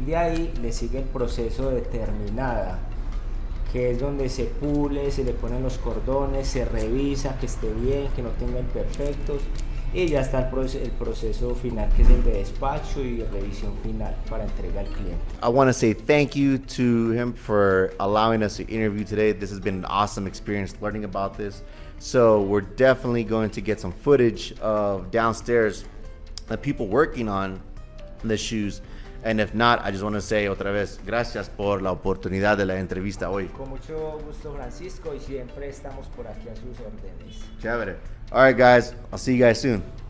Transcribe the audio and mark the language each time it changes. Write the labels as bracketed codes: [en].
[es] De ahí le sigue el proceso de terminada, que es donde se pule, se le ponen los cordones, se revisa que esté bien, que no tenga imperfectos. y ya está el proceso final, que es el de despacho y revisión final para entrega al cliente. [en] I want to say thank you to him for allowing us to interview today. This has been an awesome experience learning about this. So we're definitely going to get some footage of downstairs the people working on the shoes. And if not, I just want to say [es] otra vez, gracias por la oportunidad de la entrevista hoy. Con mucho gusto, Francisco, y siempre estamos por aquí a sus órdenes. Chévere. [en] All right, guys. I'll see you guys soon.